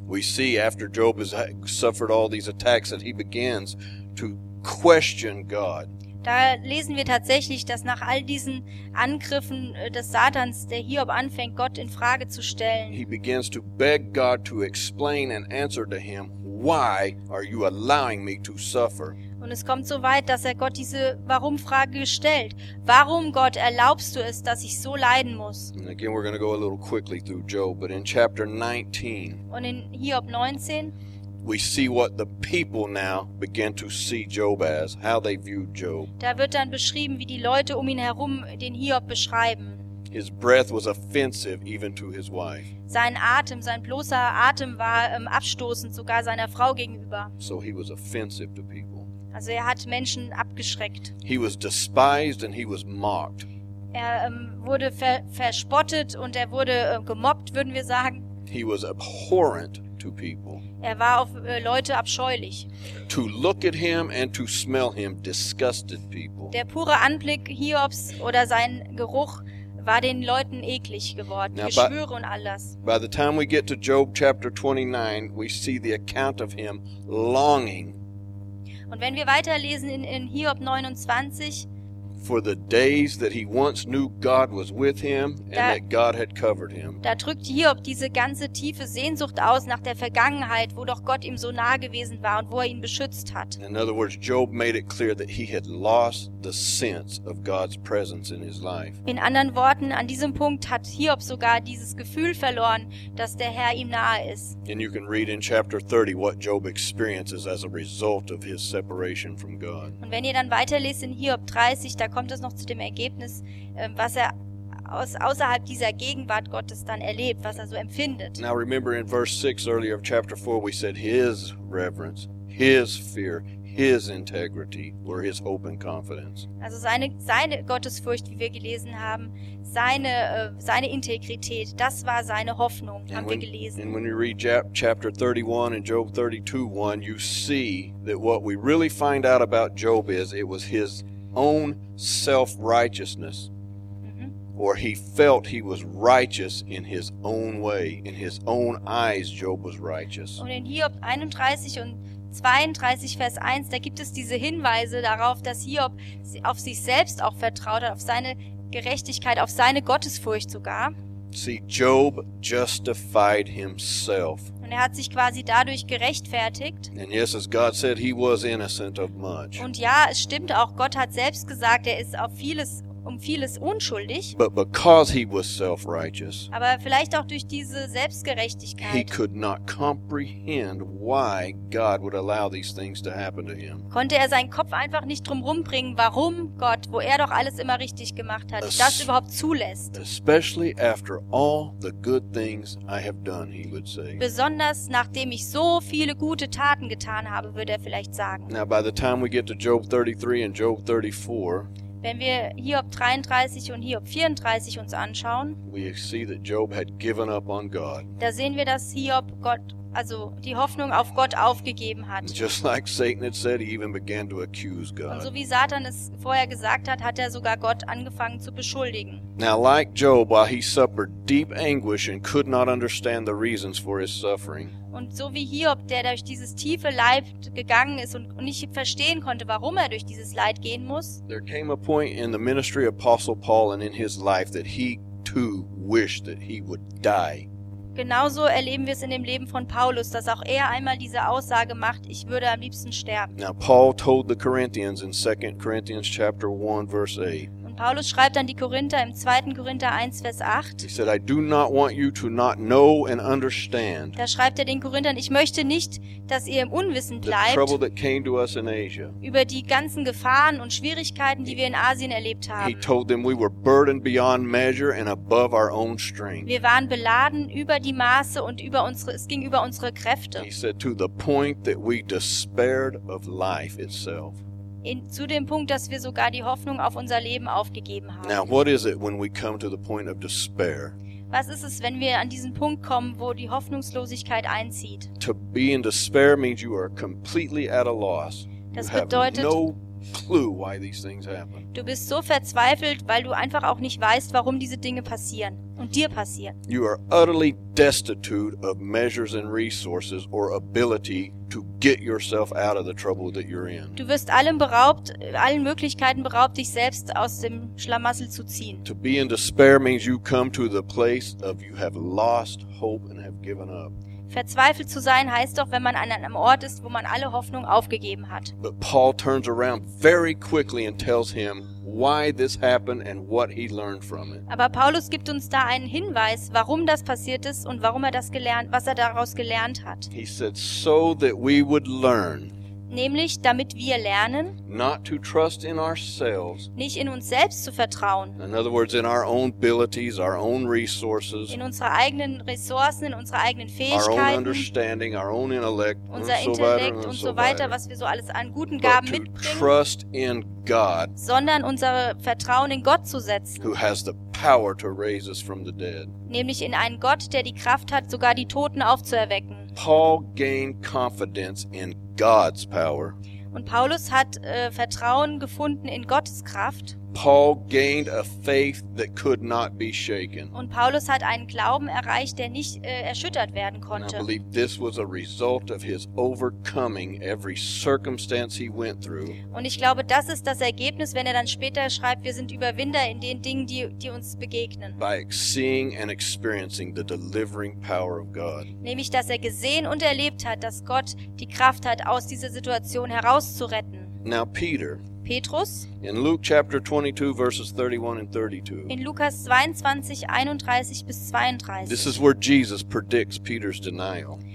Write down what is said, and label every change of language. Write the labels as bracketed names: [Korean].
[English] We see after Job has suffered all these attacks that he begins to question God. [German] Da lesen wir tatsächlich, dass nach all diesen Angriffen des Satans, der Hiob anfängt, Gott in Frage zu stellen. [English] He begins to beg God to explain and answer to him, why are you allowing me to suffer? [German] Und es kommt so weit, dass er Gott diese Warum-Frage stellt. Warum, Gott, erlaubst du es, dass ich so leiden muss? [English] Again, we're going to go a little quickly through Job, but in chapter 19. [German] Und in Hiob 19. [English] We see what the people now begin to see Job as, how they viewed Job. [German] Da wird dann beschrieben, wie die Leute um ihn herum den Hiob beschreiben. [English] His breath was offensive even to his wife. [German] Sein Atem, sein bloßer Atem war abstoßend sogar seiner Frau gegenüber. [English] So he was offensive to people. [German] Also er hat Menschen abgeschreckt. [English] He was despised and he was mocked. [German] Er wurde verspottet und er wurde gemobbt, würden wir sagen. [English] He was abhorrent to people. [German] Er war auf Leute abscheulich. [English] To look at him and to smell him disgusted people. [German] Der pure Anblick Hiobs oder sein Geruch war den Leuten eklig geworden, now, Geschwüre und all das. [English] By the time we get to Job chapter 29, we see the account of him longing. [German] Und wenn wir weiterlesen in Hiob 29, [English] for the days that he once knew God was with him and that God had covered him. [German] Da drückt Hiob diese ganze tiefe Sehnsucht aus nach der Vergangenheit, wo doch Gott ihm so nah gewesen war und wo er ihn beschützt hat. [English] In other words, Job made it clear that he had lost the sense of God's presence in his life. [German] In anderen Worten, an diesem Punkt hat Hiob sogar dieses Gefühl verloren, dass der Herr ihm nahe ist. [English] And you can read in chapter 30 what Job experiences as a result of his separation from God. [German] Und wenn ihr dann weiterlest in Hiob 30, da kommt es noch zu dem Ergebnis, was er außerhalb dieser Gegenwart Gottes dann erlebt, was er so empfindet. [English] Now remember in verse 6 earlier of chapter 4 we said his reverence, his fear, his integrity were his hope and confidence. [German] Also seine Gottesfurcht, wie wir gelesen haben, seine Integrität, das war seine Hoffnung, haben wir gelesen. [English] And when you read chapter 31 and Job 32:1, you see that what we really find out about Job is it was his own self-righteousness, or he felt he was righteous in his own way, in his own eyes Job was righteous. [German] Und in Hiob 31 und 32 Vers 1, da gibt es diese Hinweise darauf, dass Hiob auf sich selbst auch vertraut hat, auf seine Gerechtigkeit, auf seine Gottesfurcht sogar. [English] See, Job justified himself. [German] Und er hat sich quasi dadurch gerechtfertigt. [English] And yes, as God said, he was innocent of much. [German] Und ja, es stimmt auch, Gott hat selbst gesagt, er ist auf vieles, um vieles unschuldig. [English] But because he was self-righteous, [German] aber vielleicht auch durch diese Selbstgerechtigkeit, [English] he could not comprehend why God would allow these things to happen to him. [German] Konnte er seinen Kopf einfach nicht drum rumbringen, warum Gott, wo er doch alles immer richtig gemacht hat, das überhaupt zulässt. [English] Especially after all the good things I have done, he would say. [German] Besonders nachdem ich so viele gute Taten getan habe, würde er vielleicht sagen. [English] Now by the time we get to Job 33 and Job 34, [German] wenn wir Hiob 33 und Hiob 34 uns anschauen, [English] we see that Job had given up on God. [German] Da sehen wir, dass Hiob Gott, also die Hoffnung auf Gott aufgegeben hat. [English] Just like Satan had said, he even began to accuse God. [German] Und so wie Satan es vorher gesagt hat, hat er sogar Gott angefangen zu beschuldigen. [English] Now like Job, while he suffered deep anguish and could not understand the reasons for his suffering. [German] Und so wie Hiob, der durch dieses tiefe Leid gegangen ist und nicht verstehen konnte, warum er durch dieses Leid gehen muss. [English] There came a point in the ministry of Apostle Paul and in his life that he too wished that he would die. [German] Genauso erleben wir es in dem Leben von Paulus, dass auch er einmal diese Aussage macht, ich würde am liebsten sterben. [English] Now Paul told the Corinthians in 2 Corinthians chapter 1 verse 8. [German] Paulus schreibt an die Korinther im 2. Korinther 1, Vers 8. [English] He said, I do not want you to not know and understand. [German] Da schreibt er den Korinthern, ich möchte nicht, dass ihr im Unwissen bleibt. [English] The trouble that came to us in Asia. [German] Über die ganzen Gefahren und Schwierigkeiten, die wir in Asien erlebt haben. [English] He told them we were burdened beyond measure and above our own strength. [German] Wir waren beladen über die Maße und über unsere, es ging über unsere Kräfte. [English] He said, to the point that we despaired of life itself. [German] Zu dem Punkt, dass wir sogar die Hoffnung auf unser Leben aufgegeben haben. [English] Now, what is it when we come to the point of despair? [German] Was ist es, wenn wir an diesen Punkt kommen, wo die Hoffnungslosigkeit einzieht? [English] To be in despair means you are completely at a loss. [German] Das bedeutet, [English] you have no clue why these things happen. [German] Du bist so verzweifelt, weil du einfach auch nicht weißt, warum diese Dinge passieren und dir passieren. [English] You are utterly destitute of measures and resources or ability to get yourself out of the trouble that you're in. [German] Du wirst allem beraubt, allen Möglichkeiten beraubt, dich selbst aus dem Schlamassel zu ziehen. [English] To be in despair means you come to the place of you have lost hope and have given up. [German] Verzweifelt zu sein heißt doch, wenn man an einem Ort ist, wo man alle Hoffnung aufgegeben hat. [English] But Paul turns around very quickly and tells him why this happened and what he learned from it. [German] Aber Paulus gibt uns da einen Hinweis, warum das passiert ist und warum er das gelernt, was er daraus gelernt hat. [English] He said so that we would learn. [German] Nämlich, damit wir lernen, [English] not to trust in ourselves, [German] nicht in uns selbst zu vertrauen. [English] In other words, in our own abilities, our own resources, [German] in unsere eigenen Ressourcen, in unsere eigenen Fähigkeiten, [English] our own understanding, our own intellect, [German] unser Intellekt und so weiter, was wir so alles an guten Gaben mitbringen, [English] but to trust in God, [German] sondern unser Vertrauen in Gott zu setzen, [English] who has the power to raise us from the dead. [German] Nämlich in einen Gott, der die Kraft hat, sogar die Toten aufzuerwecken. [English] Paul gained confidence in God's power. [German] Und Paulus hat Vertrauen gefunden in Gottes Kraft. [English] Paul gained a faith that could not be shaken. [German] Und Paulus hat einen Glauben erreicht, der nicht erschüttert werden konnte. [English] And I believe this was a result of his overcoming every circumstance he went through. [German] Und ich glaube, das ist das Ergebnis, wenn er dann später schreibt, wir sind Überwinder in den Dingen, die uns begegnen. [English] By seeing and experiencing the delivering power of God. [German] Nämlich, dass er gesehen und erlebt hat, dass Gott die Kraft hat, aus dieser Situation herauszuretten. [English] Now Peter. [German] Petrus, [English] in Luke chapter 22 verses 31 and 32. [German] In Lukas 22, 31 bis 32. [English] This is where Jesus predicts Peter's denial.